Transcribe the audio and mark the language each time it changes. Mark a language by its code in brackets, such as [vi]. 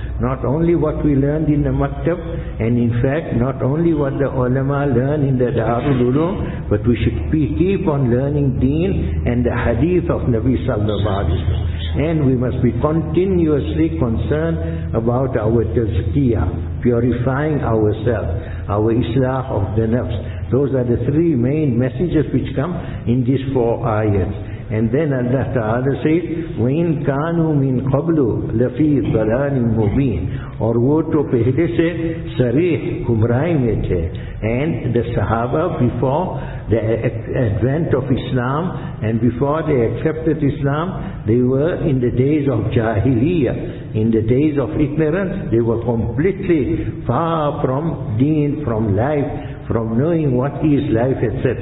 [en] Not only what we learned in the maktab, and in fact not only what the ulama learn in the Darul Uloom, but we should keep on learning deen and the hadith of Nabi sallallahu alayhi wa sallam. And we must be continuously concerned about our tazkiyah, purifying ourselves, our islah of the nafs. Those are the three main messages which come in these four ayats. And then Allah Ta'ala says, [ar] وَإِن كَانُوا مِن قَبْلُ لَفِي ضَلَالٍ مُبِينٍ. [ur] اور وہ تو پہلے سے صریح گمراہی میں تھے. [en] And the Sahaba, before the advent of Islam and before they accepted Islam, they were in the days of Jahiliyyah, in the days of ignorance, they were completely far from deen, from life, from knowing what is life, etc.